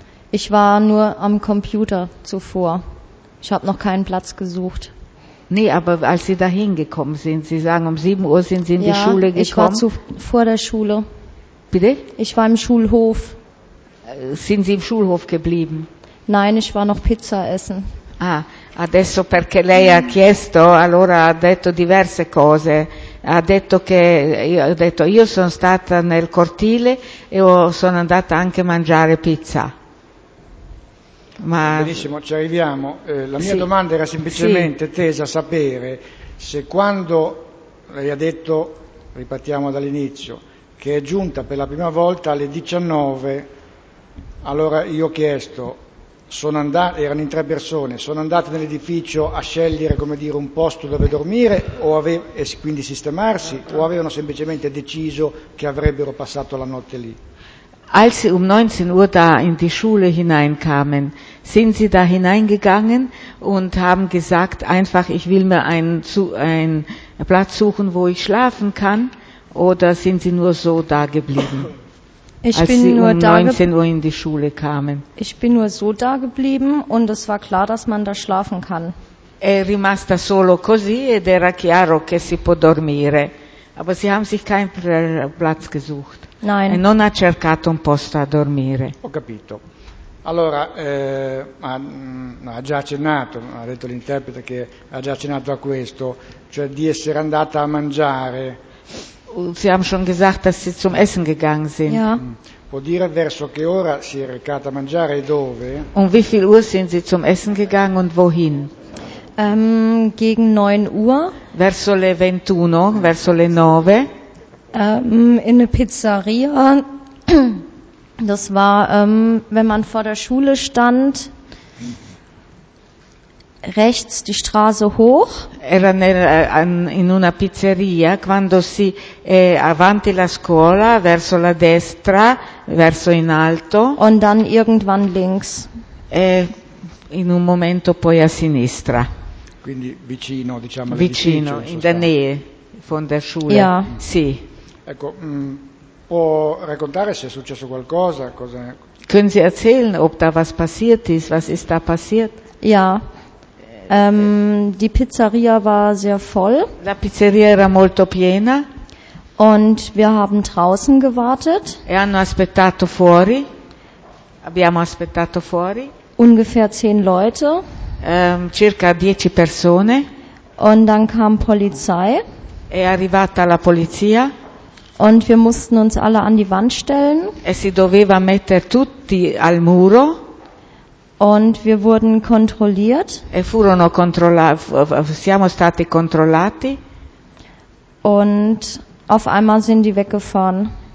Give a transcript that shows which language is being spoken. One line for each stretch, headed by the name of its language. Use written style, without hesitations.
German: Ich war nur am Computer zuvor. Ich habe noch keinen Platz gesucht. Nee, aber als Sie da hingekommen sind, Sie sagen, um 7 Uhr sind Sie in ja, die Schule gekommen. Ich war vor der Schule. Bitte? Ich war im Schulhof. Sind Sie im Schulhof geblieben? Nein, ich war noch Pizza essen.
Italian: Ah, adesso perché lei ha chiesto, allora ha detto diverse cose. Ha detto che, io sono stata nel cortile e sono andata anche a mangiare pizza. Ma... Benissimo, ci arriviamo. La mia sì. domanda era semplicemente sì. tesa a sapere se quando lei ha detto, ripartiamo dall'inizio, che è giunta per la prima volta alle 19, allora io ho chiesto, erano in tre persone, sono andate nell'edificio a scegliere, come dire, un posto dove dormire e quindi sistemarsi, o avevano semplicemente deciso che avrebbero passato la notte lì?
German: Als Sie um 19 Uhr da in die Schule hineinkamen, sind Sie da hineingegangen und haben gesagt, einfach, ich will mir einen Platz suchen, wo ich schlafen kann, oder sind Sie nur so da geblieben? Ich bin nur so da geblieben und es war klar, dass man da schlafen kann.
Italian: È rimasta solo così ed era chiaro che si può dormire.
German: Aber Sie haben sich keinen Platz gesucht. Nein.
Italian: E non ha cercato un posto a dormire. Ho capito. Allora, ha già accennato, ha detto l'interprete che ha già accennato a questo, cioè di essere andata a mangiare.
German: Sie haben schon gesagt, dass Sie zum Essen gegangen sind. Ja.
Italian: Può dire verso che ora si è recata a mangiare e dove?
German: Um wie viel Uhr sind Sie zum Essen gegangen und wohin? Gegen 9 Uhr.
Italian: Verso le 21, verso le 9.
German: In eine Pizzeria. Das war, wenn man vor der Schule stand, rechts die Straße hoch.
Italian: Era in una pizzeria, quando si è avanti la scuola, verso la destra, verso in alto.
German: Und dann irgendwann links.
Italian: E in un momento poi a sinistra. Quindi vicino, diciamo,
German: vicino, in der Nähe von der Schule. Ja.
Italian: Sì. Ecco, può raccontare se è successo qualcosa? Cosa...
German: Können Sie erzählen, ob da was passiert ist? Was ist da passiert? Ja. Die Pizzeria war sehr voll.
Italian: La pizzeria era molto piena.
German: Und wir haben draußen gewartet.
Italian: E hanno aspettato fuori. Abbiamo aspettato fuori.
German: Ungefähr 10 Leute.
Italian: Circa 10 persone.
German: Und dann kam Polizei.
Italian: È arrivata la polizia.
German: Und wir mussten uns alle an die Wand stellen.
Italian: E si doveva mettere tutti al muro.
German: Und wir wurden kontrolliert.
Italian: E furono siamo stati controllati.
German: Und auf einmal sind die weggefahren.